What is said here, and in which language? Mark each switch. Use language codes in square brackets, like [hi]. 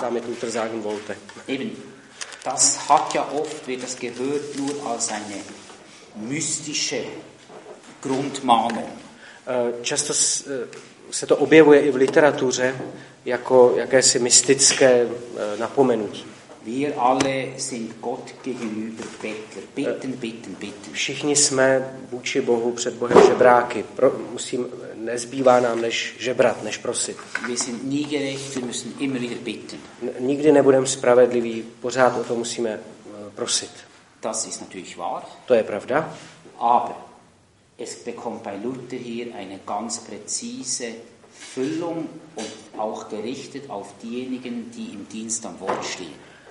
[de] damit Luther sagen wollte. Eben, das hat ja oft, wird das gehört, nur als eine mystische Grundmahnung. [cs] Často se to objevuje i v literatuře jako jakési mystické napomenutí. [de] Wir alle sind Gott gegenüber Bettler. Bitten, bitten, bitten. [cs] Všichni jsme vůči Bohu před Bohem žebráky. Nezbývá nám než žebrat, než prosit. [de] Wir sind nie gerecht, wir müssen immer wieder bitten. [cs] Nikdy nebudeme spravedliví, pořád o to musíme prosit. [de] Das ist natürlich wahr. [cs] To je pravda. [de] Aber es bekommt bei Luther hier eine ganz präzise Füllung und auch gerichtet auf diejenigen, die im Dienst am Wort stehen.